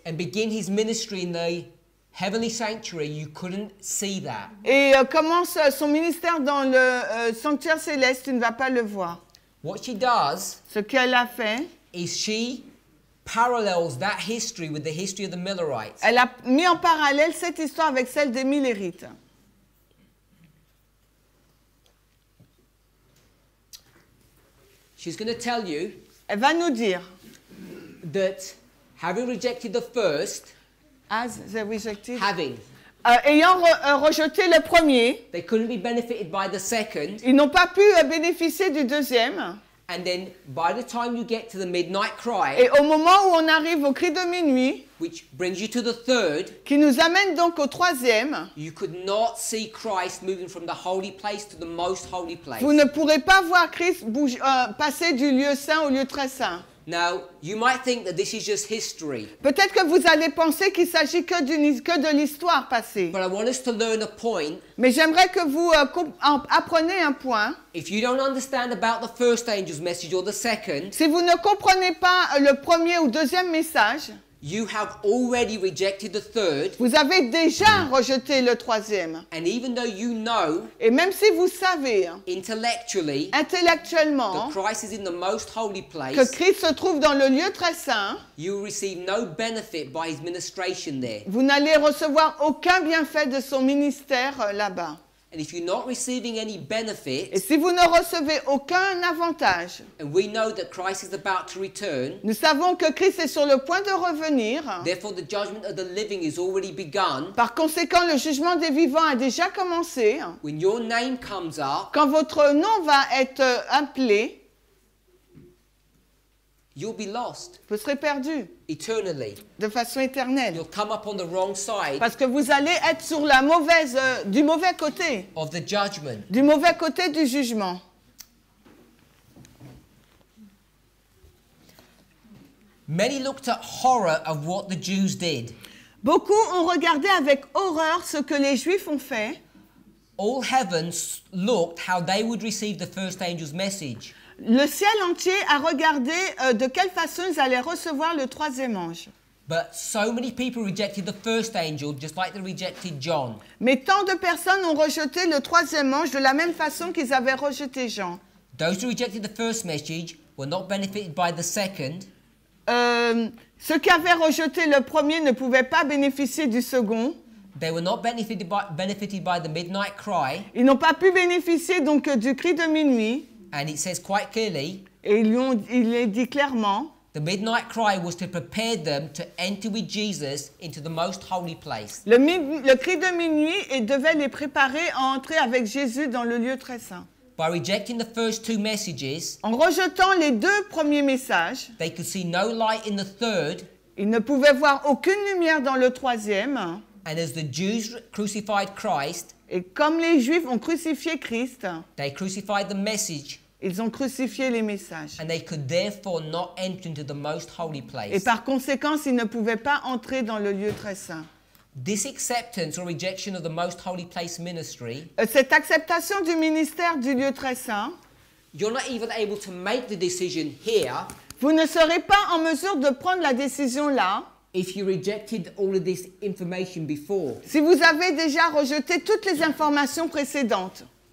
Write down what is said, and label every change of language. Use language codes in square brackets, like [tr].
[en] and begin his ministry in the heavenly sanctuary, you couldn't see that. [fr] Et commence son ministère dans le sanctuaire céleste, tu ne vas pas le voir. [en] What she does, [fr] ce qu'elle a fait, [en] is she parallels that history with the history of the Millerites. [fr] Elle a mis en parallèle cette histoire avec celle des Millerites. [en] She's going to tell you, [fr] elle va nous dire, [en] that having rejected the first, as they rejected, having, [fr] ayant rejeté le premier, [en] they couldn't be benefited by the second, [fr] ils n'ont pas pu bénéficier du deuxième. [en] And then by the time you get to the midnight cry, [fr] et au moment où on arrive au cri de minuit, [en] which brings you to the third, [fr] qui nous amène donc au troisième, [en] you could not see Christ moving from the holy place to the most holy place. [fr] Vous ne pourrez pas voir Christ passer du lieu saint au lieu très saint. [en] Now, you might think that this is just history. [fr] Peut-être que vous allez penser qu'il s'agit que de l'histoire passée. [en] But I want us to learn a point. [fr] Mais j'aimerais que vous appreniez un point. [en] If you don't understand about the first angel's message or the second, [fr] si vous ne comprenez pas le premier ou deuxième message, [en] you have already rejected the third. [fr] Vous avez déjà rejeté le troisième. [en] And even though you know, [fr] et même si vous savez, [en] intellectually, [fr] intellectuellement, [en] that Christ is in the most holy place, [fr] que Christ se trouve dans le lieu très saint, [en] you receive no benefit by his ministration there. [fr] Vous n'allez recevoir aucun bienfait de son ministère là-bas. [en] And if you're not receiving any benefit, [fr] et si vous ne recevez aucun avantage, [en] and we know that Christ is about to return, [fr] nous savons que Christ est sur le point de revenir, [en] therefore the judgment of the living is already begun, [fr] par conséquent le jugement des vivants a déjà commencé, [en] when your name comes up, [fr] quand votre nom va être appelé, [en] you'll be lost. [fr] Vous serez perdu. [en] Eternally. [fr] De façon éternelle. [en] You'll come up on the wrong side. [fr] Parce que vous allez être sur la mauvaise, du mauvais côté. [en] Of the judgment. [fr] Du mauvais côté du jugement. [en] Many looked at horror of what the Jews did. [fr] Beaucoup ont regardé avec horreur ce que les Juifs ont fait. [en] All heavens looked how they would receive the first angel's message. [fr] Le ciel entier a regardé de quelle façon ils allaient recevoir le troisième ange. [en] But so many people rejected the first angel, just like they rejected John. [fr] Mais tant de personnes ont rejeté le troisième ange de la même façon qu'ils avaient rejeté Jean. [en] Those who rejected the first message were not benefited by the second. [fr] Ceux qui avaient rejeté le premier ne pouvaient pas bénéficier du second. [en] They were not benefited by the midnight cry. [fr] Ils n'ont pas pu bénéficier donc du cri de minuit. [en] And it says quite clearly, [fr] Et il est dit clairement. [en] The midnight cry was to prepare them to enter with Jesus into the most holy place. [fr] Le cri de minuit et devait les préparer à entrer avec Jésus dans le lieu très saint. [en] By rejecting the first two messages, [fr] en rejetant les deux premiers messages, [en] they could see no light in the third. [fr] Ils ne pouvaient voir aucune lumière dans le troisième. [en] And as the Jews crucified Christ, [fr] et comme les Juifs ont crucifié Christ, [en] they crucified the message. [fr] Ils ont crucifié les messages. [en] And they could therefore not enter into the most holy place. [fr] Et par conséquent, ils ne pouvaient pas entrer dans le lieu très saint. [en] This acceptance or rejection of the most holy place ministry. [fr] Cette acceptation du ministère du lieu très saint. [en] You're not even able to make the decision here. [fr] Vous ne serez pas en mesure de prendre la décision là. [en] If you rejected all of this information before. [fr] Si vous avez déjà rejeté toutes les informations précédentes.